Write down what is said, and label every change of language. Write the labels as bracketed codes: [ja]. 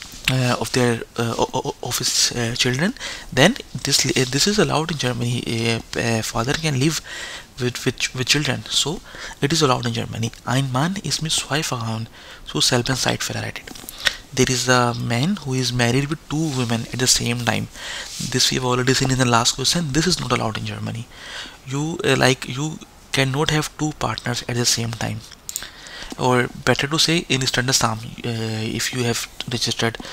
[en] of their of his children, then this is allowed in Germany. A father can live with children, so it is allowed in Germany. [de] Ein Mann ist mit zwei Frauen zu selben Zeit verheiratet. [en] There is a man who is married with two women at the same time. This we have already seen in the last question. This is not allowed in Germany. You cannot have two partners at the same time. Or better to say in standard sum, if you have registered.